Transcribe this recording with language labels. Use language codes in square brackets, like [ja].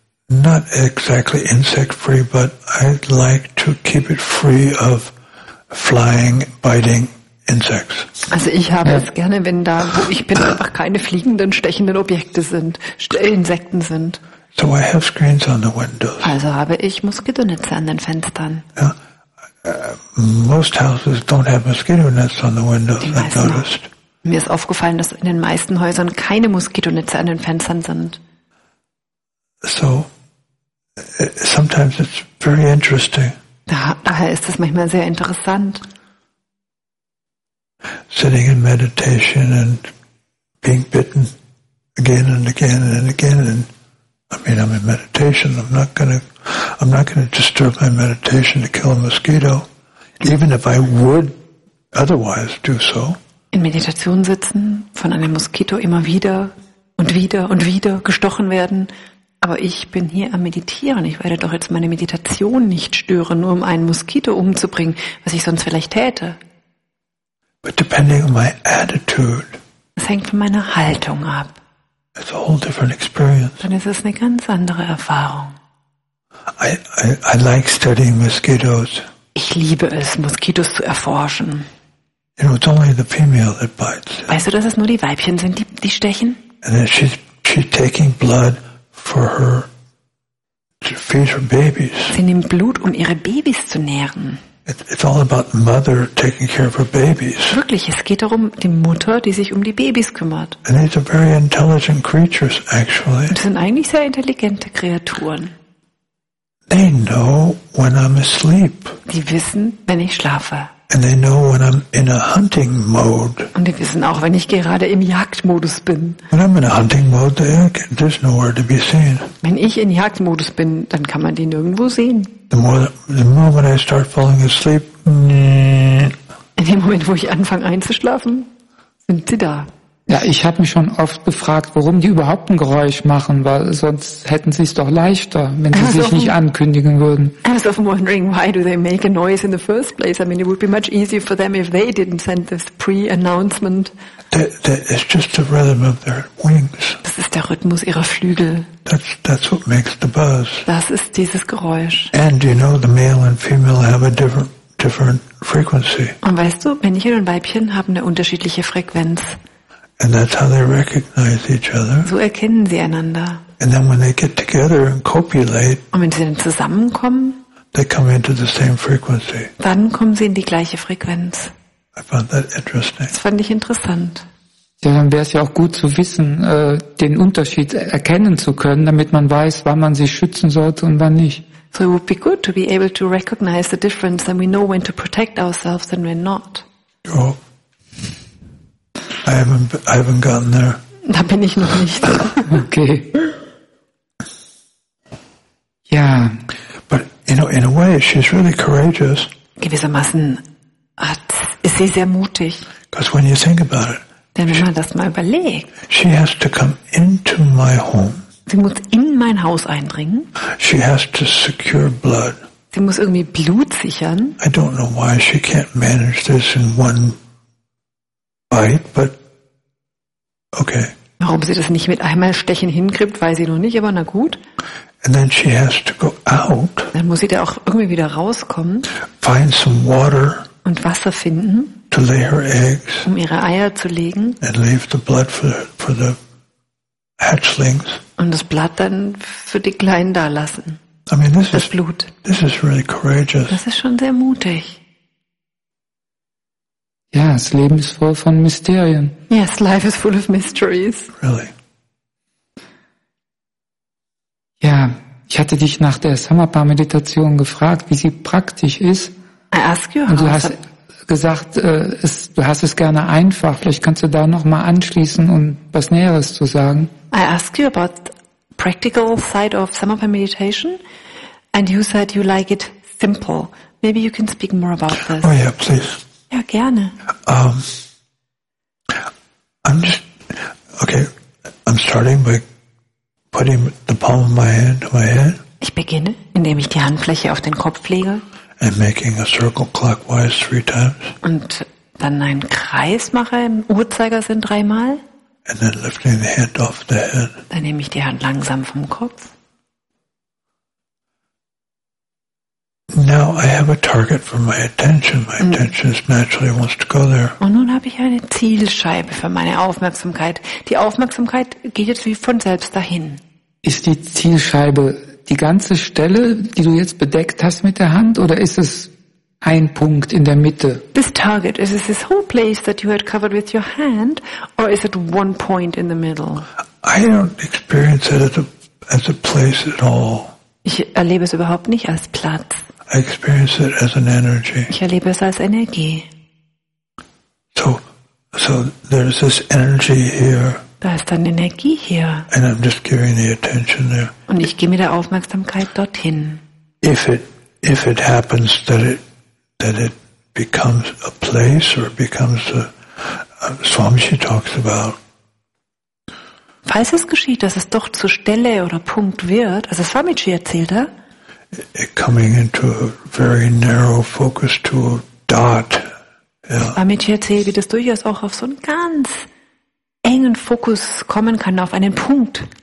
[en] Not exactly insect free, but I'd like to keep it free of flying, biting insects. [de] Also ich habe es gerne, wenn da, wo ich bin, einfach keine fliegenden, stechenden Objekte sind, Insekten sind. [en] So I have screens on the windows. [de] Also habe ich Moskitonetze an den Fenstern. [en] Yeah. Most houses don't have mosquito nets on the windows, I noticed. [de] Mir ist aufgefallen, dass in den meisten Häusern keine Moskitonetze an den Fenstern sind. [en] So, sometimes it's very interesting. [de] Daher ist es manchmal sehr interessant. [en] Sitting in meditation and being bitten again and again and again. And I mean, I'm in meditation. I'm not gonna disturb my meditation to kill a mosquito, even if I would otherwise do so. [de] In Meditation sitzen, von einem Moskito immer wieder und wieder und wieder gestochen werden. Aber ich bin hier am Meditieren. Ich werde doch jetzt meine Meditation nicht stören, nur um einen Moskito umzubringen, was ich sonst vielleicht täte. [en] But depending on my attitude, [de] es hängt von meiner Haltung ab. [en] It's a whole different experience. [de] Dann ist es eine ganz andere Erfahrung. [en] I like studying mosquitoes. [de] Ich liebe es, Moskitos zu erforschen. [en] You know, it's only the female that bites. [de] Weißt du, dass es nur die Weibchen sind, die stechen? [en] And then she's taking blood for her to feed her babies. [de] Sie nimmt Blut, um ihre Babys zu nähren. [en] It's all about mother taking care of her babies. [de] Wirklich, es geht darum, die Mutter, die sich um die Babys kümmert. [en] And these are very intelligent creatures, actually. [de] Und sind eigentlich sehr intelligente Kreaturen. [en] They know when I'm asleep. [de] Die wissen, wenn ich schlafe. [en] And they know when I'm in a hunting mode. [de] Und die wissen auch, wenn ich gerade im Jagdmodus bin. [en] When I'm in a hunting mode, there's nowhere to be seen. [de] Wenn ich in Jagdmodus bin, dann kann man die nirgendwo sehen. [en] The moment I start falling asleep, [de] in dem Moment, wo ich anfange einzuschlafen, sind sie da. Ja, ich habe mich schon oft gefragt, warum die überhaupt ein Geräusch machen, weil sonst hätten sie es doch leichter, wenn sie sich nicht ankündigen würden. [en] I was often wondering, why do they make a noise in the first place? I mean, it would be much easier for them if they didn't send this pre-announcement. It's just the rhythm of their wings. [de] Das ist der Rhythmus ihrer Flügel. [en] That's what makes the buzz. [de] Das ist dieses Geräusch. [en] And you know, the male and female have a different frequency. [de] Und weißt du, Männchen und Weibchen haben eine unterschiedliche Frequenz. [en] And that's how they recognize each other. [de] So erkennen sie einander. [en] And then when they get together and copulate, [de] und wenn sie dann zusammenkommen, [en] they come into the same frequency. [de] Dann kommen sie in die gleiche Frequenz. [en] I found that interesting. [de] Das fand ich interessant. Ja, dann wäre es ja auch gut zu wissen, den Unterschied erkennen zu können, damit man weiß, wann man sich schützen sollte und wann nicht. [en] So it would be good to be able to recognize the difference and we know when to protect ourselves and when not. Ja. I haven't gotten there. [de] Da bin ich noch nicht. [en] Okay. [de] Ja. [en] But you know, in a way, she's really courageous. [de] Gewissermaßen ist sie sehr mutig. [en] Because when you think about it, [de] denn wenn man das mal überlegt, [en] she has to come into my home. [de] Sie muss in mein Haus eindringen. [en] She has to secure blood. [de] Sie muss irgendwie Blut sichern. [en] I don't know why she can't manage this in one. Right, but okay. [de] Warum sie das nicht mit einmal stechen hinkriegt, weiß ich noch nicht, aber na gut. [en] And then she has to go out. [de] Dann muss sie da auch irgendwie wieder rauskommen. [en] Find some water. [de] Und Wasser finden. [en] To lay her eggs. [de] Um ihre Eier zu legen. [en] And leave the blood for the hatchlings. [de] Und das Blut dann für die Kleinen da lassen. [en] I mean, this [de] das [en] is, [de] Blut. [en] This is really courageous. [de] Das ist schon sehr mutig. Ja, das Leben ist voll von Mysterien. [en] Yes, life is full of mysteries. Really? [de] Ja, Ich hatte dich nach der Samapa-Meditation gefragt, wie sie praktisch ist. [en] I ask you, [de] und du hast gesagt, du hast es gerne einfach. Vielleicht kannst du da noch mal anschließen und was Näheres zu sagen. [en] I ask you about the practical side of Samapa meditation, and you said you like it simple. Maybe you can speak more about this. Oh yeah, please. [de] Ja, gerne. [en] I'm starting by putting the palm of my hand on my head. [de] Ich beginne, indem ich die Handfläche auf den Kopf lege. [en] And making a circle clockwise 3 times. [de] Und dann einen Kreis mache im Uhrzeigersinn 3 Mal. [en] And then lifting the hand off the head. [de] Dann nehme ich die Hand langsam vom Kopf. [en] Now I have a target for my attention. My attention naturally wants to go there. [de] Und nun habe ich eine Zielscheibe für meine Aufmerksamkeit. Die Aufmerksamkeit geht jetzt wie von selbst dahin. Ist die Zielscheibe die ganze Stelle, die du jetzt bedeckt hast mit der Hand, oder ist es ein Punkt in der Mitte? [en] This target, is this this whole place that you had covered with your hand, or is it one point in the middle? I don't experience it as a place at all. [de] Ich erlebe es überhaupt nicht als Platz. [en] I experience it as an energy. [de] Ich erlebe es als Energie. [en] So there's this energy here. [de] Da ist dann Energie hier. [en] And I'm just giving the attention there. [de] Und ich gebe mir der Aufmerksamkeit dorthin. [en] If it happens that it becomes a place or it becomes a Swamiji talks about. [de] Falls es geschieht, dass es doch zur Stelle oder Punkt wird, also Swamiji erzählt, ja? [en] Coming into a very narrow focus to a dot. Yeah. [de] Swamiji erzählt, wie das durchaus auch auf so einen ganz engen Fokus kommen kann, auf einen Punkt.